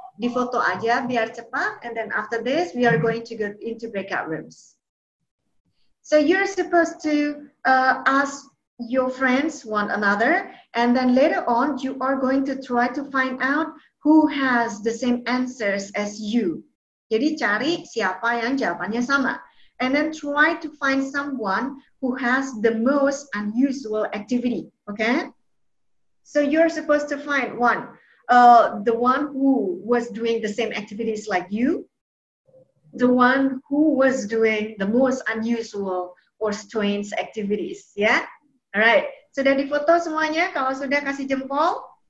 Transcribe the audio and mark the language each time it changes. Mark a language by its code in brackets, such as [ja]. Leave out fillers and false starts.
[id] Di foto aja, biar cepat, [en] and then after this, we are going to go into breakout rooms. So you're supposed to ask your friends one another, and then later on, you are going to try to find out who has the same answers as you. [id] Jadi cari siapa yang jawabannya sama. [en] And then try to find someone who has the most unusual activity, okay? So you're supposed to find one, the one who was doing the same activities like you, the one who was doing the most unusual or strange activities, yeah? All right, [id] sudah difoto semuanya? Kalau sudah kasih jempol?